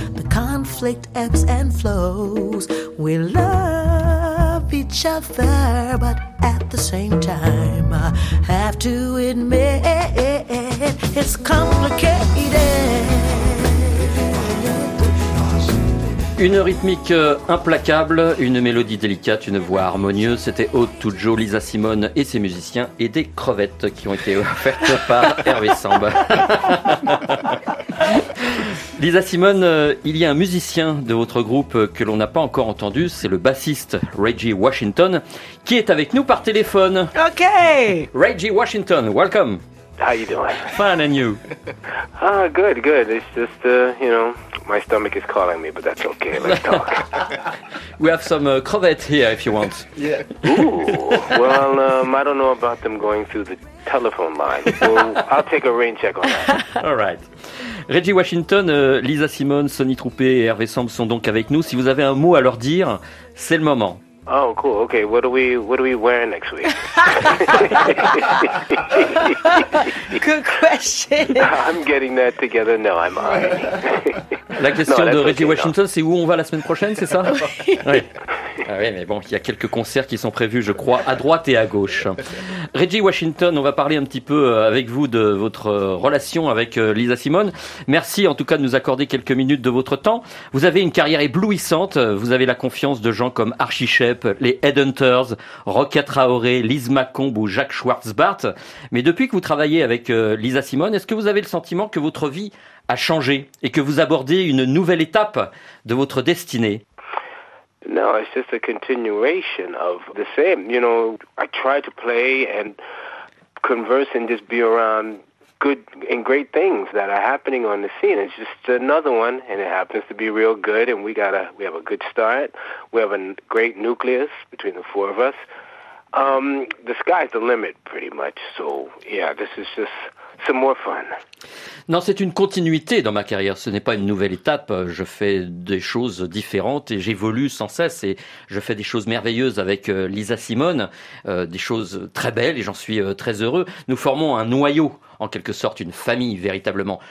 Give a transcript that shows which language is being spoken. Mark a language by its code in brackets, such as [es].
[en] The conflict ebbs and flows. We love each other, but at the same time, I have to admit it's complicated. [fr] Une rythmique implacable, une mélodie délicate, une voix harmonieuse. C'était Ode to Joe, Lisa Simone et ses musiciens, et des crevettes qui ont été offertes par Hervé Samba. Lisa Simone, il y a un musicien de votre groupe que l'on n'a pas encore entendu, c'est le bassiste Reggie Washington, qui est avec nous par téléphone. [en] Ok. Reggie Washington, welcome. How you doing? Fine, and you? Ah, good. It's just, you know, my stomach is calling me, but that's okay. Let's talk. We have some crevettes here, if you want. Yeah. Ooh. Well, I don't know about them going through the telephone line, so I'll take a rain check on that. All right. [fr] Reggie Washington, Lisa Simone, Sonny Troupé et Hervé Samb sont donc avec nous. Si vous avez un mot à leur dire, c'est le moment. [en] Oh, cool. Okay, what do we wear next week? Good question. I'm getting that together. No, I'm on. [fr] La question de Reggie Washington, c'est où on va la semaine prochaine, c'est ça? Oui. Ah oui, mais bon, il y a quelques concerts qui sont prévus, je crois, à droite et à gauche. Reggie Washington, on va parler un petit peu avec vous de votre relation avec Lisa Simone. Merci en tout cas de nous accorder quelques minutes de votre temps. Vous avez une carrière éblouissante. Vous avez la confiance de gens comme Archie Shepp, les Headhunters, Rocket Traoré, Lise Macomb ou Jacques Schwartzbart. Mais depuis que vous travaillez avec Lisa Simone, est-ce que vous avez le sentiment que votre vie a changé et que vous abordez une nouvelle étape de votre destinée? [en] No, it's just a continuation of the same. You know, I try to play and converse and just be around good and great things that are happening on the scene. It's just another one, and it happens to be real good, and we have a good start. We have a great nucleus between the four of us. The sky's the limit, pretty much. So, yeah, this is just some more fun. [fr] Non, c'est une continuité dans ma carrière, ce n'est pas une nouvelle étape. Je fais des choses différentes et j'évolue sans cesse et je fais des choses merveilleuses avec Lisa Simone, des choses très belles et j'en suis très heureux. Nous formons un noyau, en quelque sorte une famille véritablement.